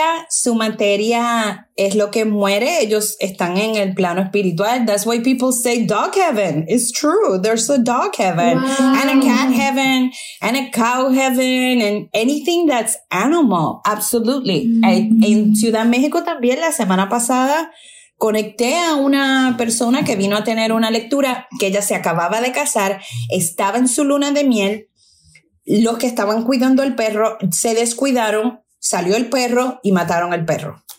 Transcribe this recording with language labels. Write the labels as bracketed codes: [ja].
[es] Su materia es lo que muere. Ellos están en el plano espiritual. [en] That's why people say dog heaven. It's true. There's a dog heaven. Wow. And a cat heaven. And a cow heaven. And anything that's animal. Absolutely. Mm-hmm. [es] En Ciudad México también, la semana pasada, conecté a una persona que vino a tener una lectura, que ella se acababa de casar, estaba en su luna de miel. Los que estaban cuidando al perro se descuidaron. Salió el perro y mataron al perro.